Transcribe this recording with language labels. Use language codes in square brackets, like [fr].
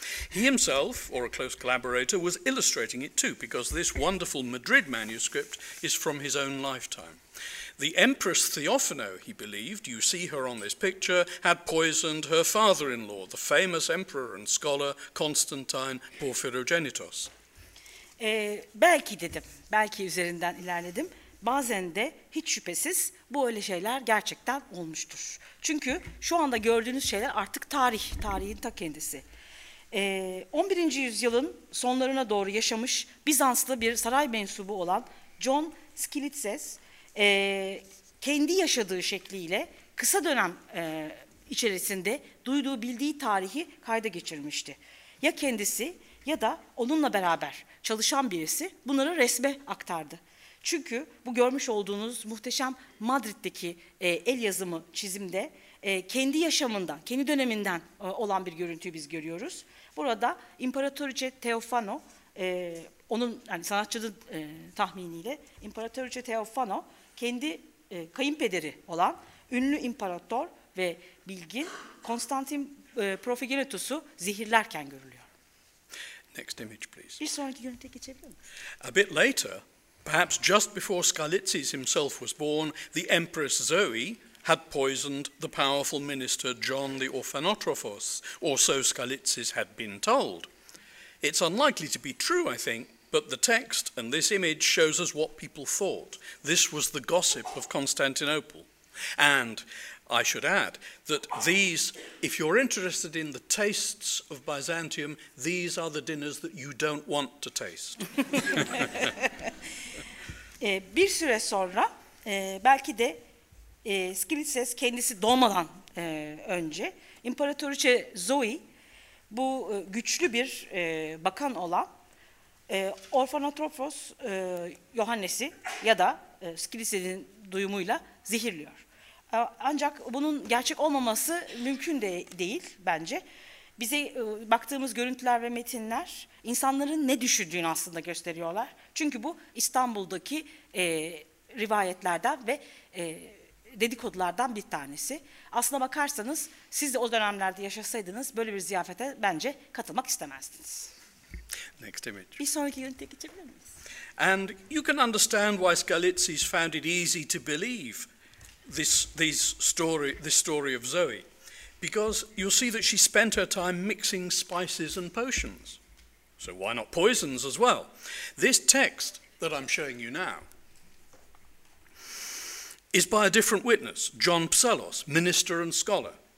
[en] He himself, or a close collaborator, was illustrating it too, because this wonderful Madrid manuscript is from his own lifetime. The Empress Theophano, he believed, you see her on this picture, had poisoned her father-in-law, the famous emperor and scholar Constantine Porphyrogenitus. [tr] Belki dedim, belki üzerinden ilerledim. Bazen de hiç şüphesiz bu öyle şeyler gerçekten olmuştur. Çünkü şu anda gördüğünüz şeyler artık tarih, tarihin ta kendisi. 11. yüzyılın sonlarına doğru yaşamış Bizanslı bir saray mensubu olan John Skylitzes, kendi yaşadığı şekliyle kısa dönem içerisinde duyduğu bildiği tarihi kayda geçirmişti. Ya kendisi ya da onunla beraber çalışan birisi bunları resme aktardı. Çünkü bu görmüş olduğunuz muhteşem Madrid'deki el yazımı çizimde kendi yaşamından, kendi döneminden olan bir görüntüyü biz görüyoruz. Burada İmparatoriçe Teofano, onun yani sanatçının tahminiyle İmparatoriçe Teofano kendi kayınpederi olan ünlü imparator ve bilgin Konstantin Porphyrogenitus'u zehirlerken görülüyor. [en] Next image, please. A bit later, perhaps just before Skylitzes himself was born, the Empress Zoe had poisoned the powerful minister John the Orphanotrophos, or so Skylitzes had been told. It's unlikely to be true, I think, but the text and this image shows us what people thought. This was the gossip of Constantinople. And I should add that these, if you're interested in the tastes of Byzantium, these are the dinners that you don't want to taste. [tr] Bir süre sonra, belki de Skilicis kendisi doğmadan önce, İmparatoriçe Zoe, bu güçlü bir bakan olan Orfanotrofos Yohannes'i ya da Skilicis'in duyumuyla zehirliyor. Ancak bunun gerçek olmaması mümkün de değil bence. Bize baktığımız görüntüler ve metinler insanların ne düşündüğünü aslında gösteriyorlar. Çünkü bu İstanbul'daki rivayetlerden ve dedikodulardan bir tanesi. Aslına bakarsanız siz de o dönemlerde yaşasaydınız böyle bir ziyafete bence katılmak istemezdiniz. [en] Next image. [tr] Bir sonraki görüntüye geçebilir miyiz? [en] And you can understand why Skalitzis found it easy to believe this story of Zoe, because you'll see that she spent her time mixing spices and potions, so why not poisons as well? This text that I'm showing you now is by a different witness, John Psellos, minister and scholar.